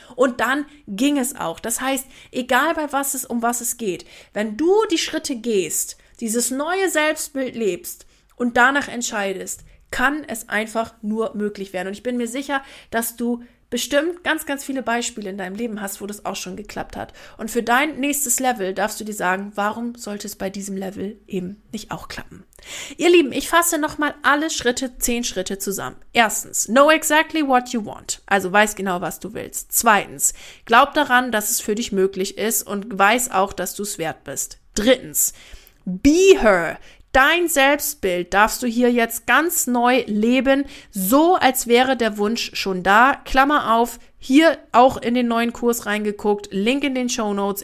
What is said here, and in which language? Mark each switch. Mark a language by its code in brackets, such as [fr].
[de] Und dann ging es auch. Das heißt, egal bei was es, um was es geht, wenn du die Schritte gehst, dieses neue Selbstbild lebst und danach entscheidest, kann es einfach nur möglich werden. Und ich bin mir sicher, dass du bestimmt ganz, ganz viele Beispiele in deinem Leben hast, wo das auch schon geklappt hat. Und für dein nächstes Level darfst du dir sagen, warum sollte es bei diesem Level eben nicht auch klappen? Ihr Lieben, ich fasse nochmal alle Schritte, 10 Schritte zusammen. Erstens, [en] know exactly what you want. [de] Also weiß genau, was du willst. Zweitens, glaub daran, dass es für dich möglich ist und weiß auch, dass du es wert bist. Drittens, [en] be her. [de] Dein Selbstbild darfst du hier jetzt ganz neu leben, so als wäre der Wunsch schon da. Klammer auf, hier auch in den neuen Kurs reingeguckt, Link in den Shownotes.